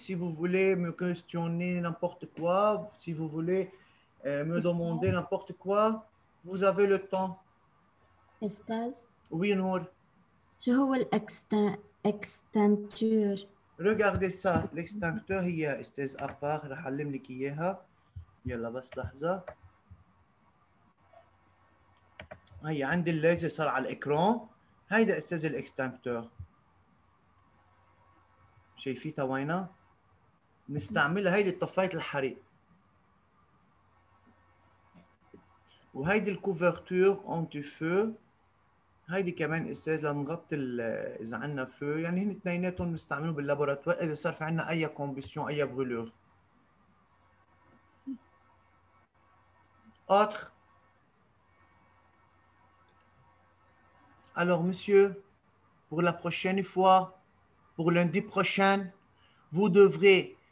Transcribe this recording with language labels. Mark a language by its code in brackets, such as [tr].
[fr] Si vous voulez me questionner n'importe quoi, si vous voulez me demander n'importe quoi, vous avez le temps. Estaz? Oui, Noor. Je veux l'extincteur. Regardez ça, l'extincteur, il y a Estaz à part, je vais vous montrer. [ar] يلا بس لحظة هي عند الليزر صار على الإكران هيدا استاذ الإكستنكتور شايفيتها وينة نستعملها هيدي طفاية الحريق وهيدي الكوفرتور أنتي فو هيدي كمان استاذ لنغطي إذا عندنا فو يعني هن اثنيناتهم نستعملهم باللابوراتوار إذا صار في عندنا أي كومبسيون أي بغلور Autre. [fr] Alors, monsieur, pour la prochaine fois, pour lundi prochain, vous devrez.